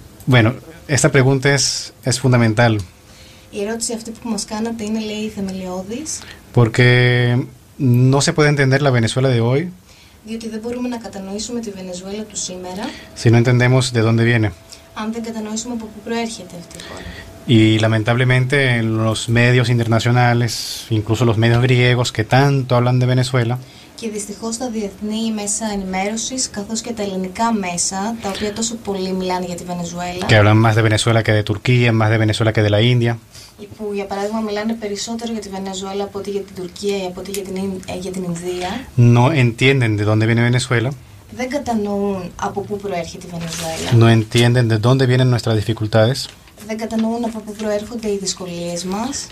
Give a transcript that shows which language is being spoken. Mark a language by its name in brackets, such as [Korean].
[Spanish] Bueno, esta pregunta es fundamental. [Greek] Η ερώτηση αυτή που μας κάνατε είναι, λέει, θεμελιώδης. [Spanish] Porque no se puede entender la Venezuela de hoy. [Greek] Διότι δεν μπορούμε να κατανοήσουμε τη Βενεζουέλα του σήμερα. [Spanish] Si no entendemos de dónde viene. [Greek] Αν δεν κατανοήσουμε από πού προέρχεται αυτή η χώρα. [Spanish] Y lamentablemente los medios internacionales, incluso los medios griegos que tanto hablan de Venezuela. [Greek] Και δυστυχώς τα διεθνή μέσα ενημέρωσης, καθώς και τα ελληνικά μέσα, τα οποία τόσο πολύ μιλάνε για τη Βενεζουέλα. [Spanish] Que hablan más de Venezuela que de Turquía, más de Venezuela que de la India. [Greek] Που για παράδειγμα μιλάνε περισσότερο για τη Βενεζουέλα από ότι για την Τουρκία ή από ότι για την Ινδία. [Spanish] No entienden de dónde viene Venezuela. [Greek] Δεν κατανοούν από πού προέρχεται η Βενεζουέλα. [Spanish] No entienden de dónde vienen nuestras dificultades. [Greek] Δεν κατανοούν από πού προέρχονται οι δυσκολίες μας.